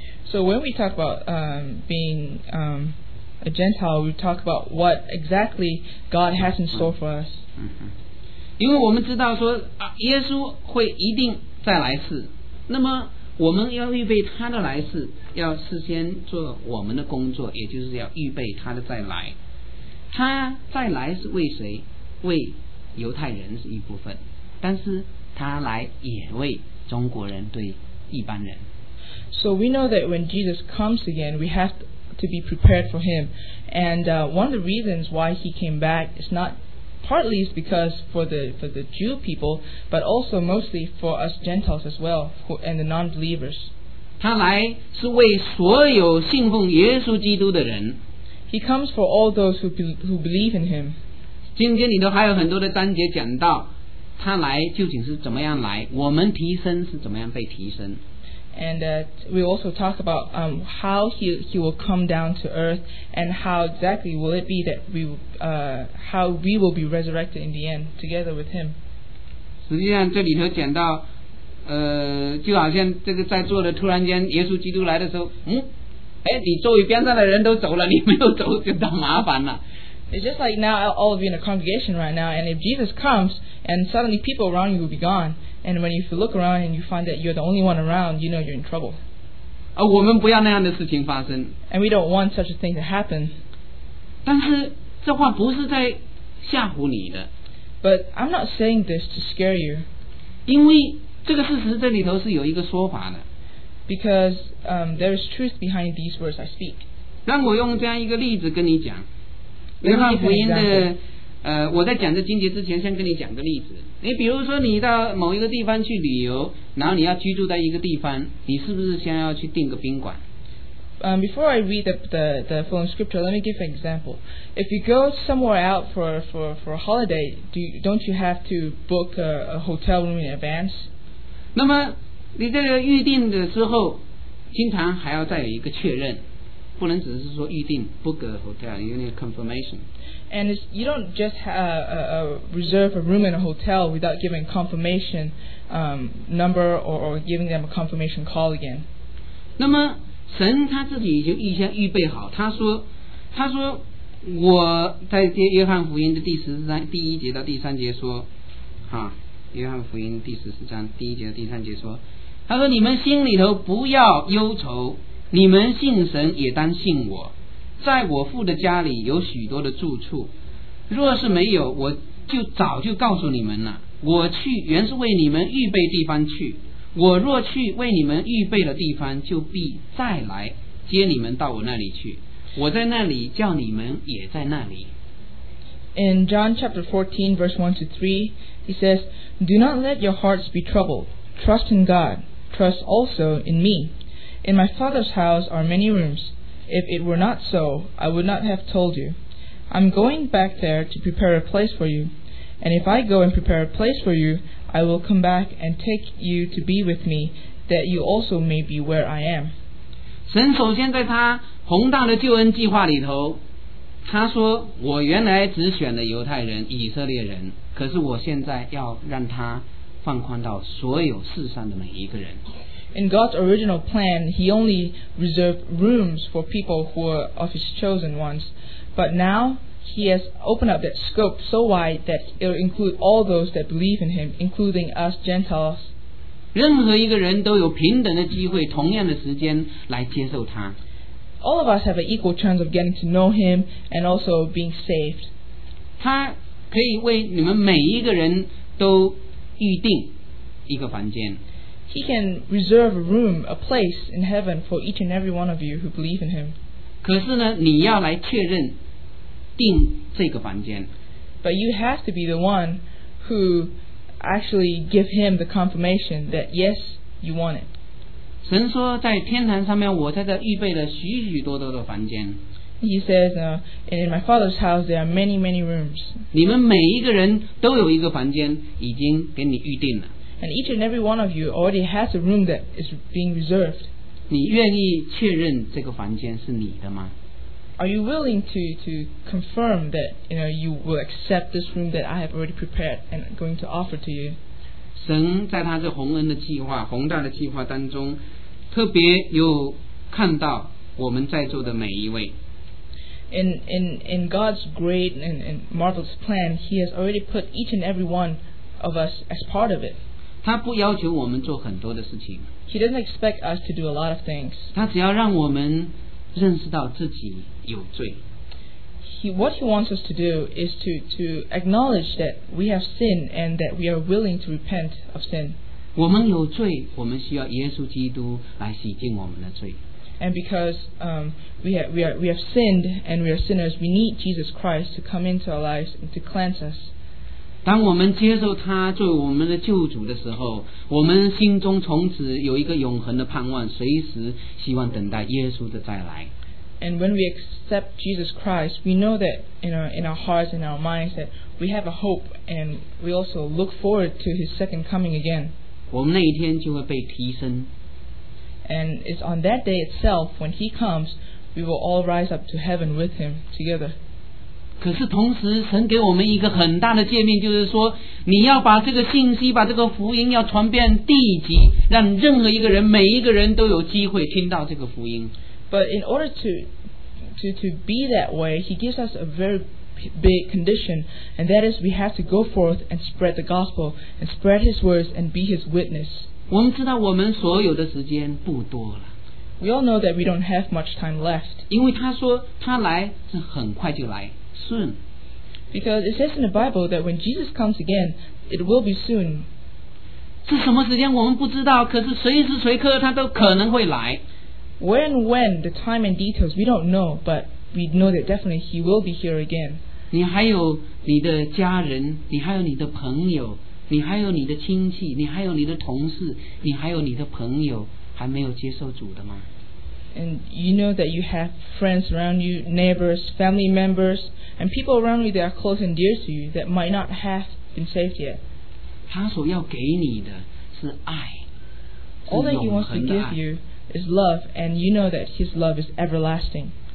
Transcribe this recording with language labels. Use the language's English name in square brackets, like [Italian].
[English] So when we talk about being a Gentile, we talk about what exactly God has in store for us. [Chinese] 因为我们知道说耶稣会一定再来世，那么我们要预备他的来世，要事先做我们的工作，也就是要预备他的再来。他再来是为谁？为犹太人是一部分，但是他来也为中国人，对一般人。 [English] So we know that when Jesus comes again, we have to be prepared for him. And one of the reasons why he came back is not partly is because for the Jew people, but also mostly for us Gentiles as well, and the non-believers. [Chinese] 他来是为所有信奉耶稣基督的人。 [English] He comes for all those who believe in him. [Chinese] 今天里头还有很多的章节讲到他来究竟是怎么样来，我们提升是怎么样被提升。 [English] And we'll also talk about how he will come down to earth, and how exactly will it be that how we will be resurrected in the end together with him. [Chinese] 实际上这里头讲到就好像这个在座的突然间耶稣基督来的时候你周围边上的人都走了，你没有走就当麻烦了。 [English] It's just like now all of you in a congregation right now, and if Jesus comes and suddenly people around you will be gone, and when you look around and you find that you're the only one around, you know you're in trouble. [Chinese] 而我们不要那样的事情发生。 [English] And we don't want such a thing to happen. [Chinese] 但是这话不是在吓唬你的。 [English] But I'm not saying this to scare you. [Chinese] 因为这个事实这里头是有一个说法的。 [English] Because there is truth behind these words I speak. [Chinese] 让我用这样一个例子跟你讲。约翰福音的我在讲这经节之前先跟你讲个例子。你比如说你到某一个地方去旅游，然后你要居住在一个地方，你是不是先要去订个宾馆？ [English] Before I read the full scripture, let me give an example. If you go somewhere out for a holiday, don't you have to book a hotel room in advance? [Chinese] 那么你这个预订的时候经常还要再有一个确认，不能只是说预定 [English] book a hotel, you need confirmation. And you don't just reserve a room in a hotel without giving confirmation number or giving them a confirmation call again. [Chinese] 那么神他自己就预先预备好，他说我在约翰福音的第一节到第三节说，约翰福音第十四章第一节到第三节说，他说你们心里头不要忧愁。你们信神也当信我，在我父的家里有许多的住处，若是没有，我就早就告诉你们了。我去原是为你们预备地方去，我若去为你们预备了地方，就必再来接你们到我那里去。我在那里叫你们也在那里。 [English] In John chapter 14 verse 1 to 3, he says, Do not let your hearts be troubled. Trust in God. Trust also in me. In my Father's house are many rooms. If it were not so, I would not have told you. I'm going back there to prepare a place for you. And if I go and prepare a place for you, I will come back and take you to be with me, that you also may be where I am. [Chinese] 神首先在他宏大的救恩计划里头，他说我原来只选了犹太人、以色列人，可是我现在要让他放宽到所有世上的每一个人。 [English] In God's original plan, He only reserved rooms for people who were of His chosen ones. But now, He has opened up that scope so wide that it will include all those that believe in Him, including us Gentiles. [Chinese] 任何一个人都有平等的机会，同样的时间来接受他。 [English] All of us have an equal chance of getting to know Him and also being saved. [Chinese] 他可以为你们每一个人都预定一个房间。 [English] He can reserve a room, a place in heaven for each and every one of you who believe in Him. [Chinese] 可是呢，你要来确认定这个房间。 [English] But you have to be the one who actually give Him the confirmation that yes, you want it. [Chinese] 神说在天堂上面，我在这预备了许许多多的房间。 [English] He says, and in my Father's house there are many, many rooms. [Chinese] 你们每一个人都有一个房间，已经给你预定了。 [English] And each and every one of you already has a room that is being reserved. [Chinese] 你愿意确认这个房间是你的吗？ [English] Are you willing to confirm that you know you will accept this room that I have already prepared and going to offer to you? [Chinese] 神在他这宏恩的计划、宏大的计划当中，特别又看到我们在座的每一位。 [English] In God's great and marvelous plan, He has already put each and every one of us as part of it. [Chinese] 他不要求我们做很多的事情。 [English] He doesn't expect us to do a lot of things. [Chinese] 他只要让我们认识到自己有罪。 [English] What he wants us to do is to acknowledge that we have sin and that we are willing to repent of sin. [Chinese] 我们有罪，我们需要耶稣基督来洗净我们的罪。 [English] And because we have sinned and we are sinners, we need Jesus Christ to come into our lives and to cleanse us. [Chinese] 当我们接受他作为我们的救主的时候，我们心中从此有一个永恒的盼望，随时希望等待耶稣的再来。 [English] And when we accept Jesus Christ, we know that in our hearts and our minds that we have a hope, and we also look forward to His second coming again. [Chinese] 我们那一天就会被提升。 [English] And it's on that day itself when He comes, we will all rise up to heaven with Him together. [Chinese] 可是同时神给我们一个很大的诫命，就是说你要把这个信息、把这个福音要传遍地极，让任何一个人、每一个人都有机会听到这个福音。 [English] But in order to be that way, He gives us a very big condition, and that is we have to go forth and spread the gospel and spread His words and be His witness. [Chinese] 我们知道我们所有的时间不多了。 [English] We all know that we don't have much time left. [Chinese] 因为他说他来是很快就来，soon. [English] Because it says in the Bible that when Jesus comes again, it will be soon. [Chinese] 是什么时间我们不知道，可是随时随刻他都可能会来。 [English] When, the time and details, we don't know, but we know that definitely He will be here again. [Chinese] 你还有你的家人，你还有你的朋友，你还有你的亲戚，你还有你的同事，你还有你的朋友。还没有接受主的吗？ [English] And you know that you have friends around you, neighbors, family members, and people around you that are close and dear to you that might not have been saved yet. [Chinese] 他所要给你的是爱。 [English] All that He wants to give you is love, and you know that His love is everlasting.